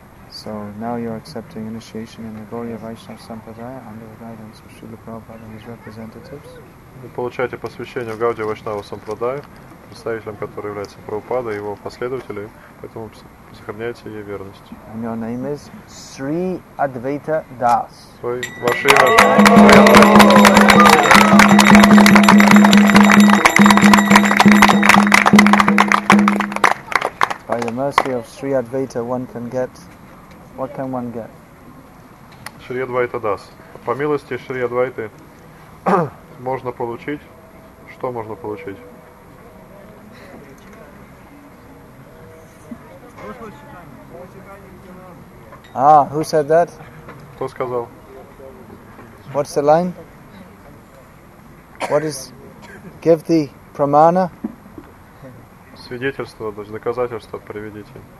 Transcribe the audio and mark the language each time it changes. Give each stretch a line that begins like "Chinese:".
English: So now you're accepting initiation in the Gaudiya Vaishnava Sampradaya under the guidance of Srila Prabhupada and his representatives.
Russian: Вы получаете посвящение в Гаудия Вайшнава Сампрадая, представителем которого является Прабхупада и его последователи, поэтому сохраняйте ей верность.
English: And your name is Sri Advaita Das.
Russian: Ваше имя.
English: By the mercy of Sri Advaita, one can get. What can one get?
Russian: Шри Адвайта Дас. По милости Шри Адвайты можно получить. Что можно получить?
English: А, who said that?
Russian: Кто сказал?
English: What's the line? What is give the Pramana?
Russian: Свидетельство, то есть доказательство приведите.